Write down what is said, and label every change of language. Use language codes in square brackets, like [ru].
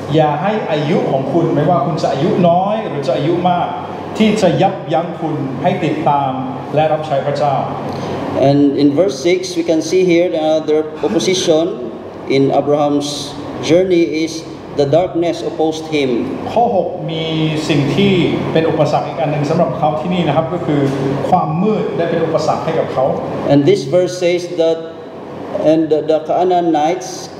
[th] อย่าให้อายุของคุณไม่ว่าคุณจะอายุน้อยหรือจะอายุมากที่จะยับยั้งคุณให้ติดตามและรับใช้พระเจ้า [en] And in verse 6, we can see here another opposition in Abraham's journey is the darkness opposed him. [th] ข้อ 6 มีสิ่งที่เป็นอุปสรรคอีกอันนึงสําหรับเขาที่นี่นะครับก็คือความมืดได้เป็นอุปสรรคให้กับเขา [en] And this verse says that and the Canaanites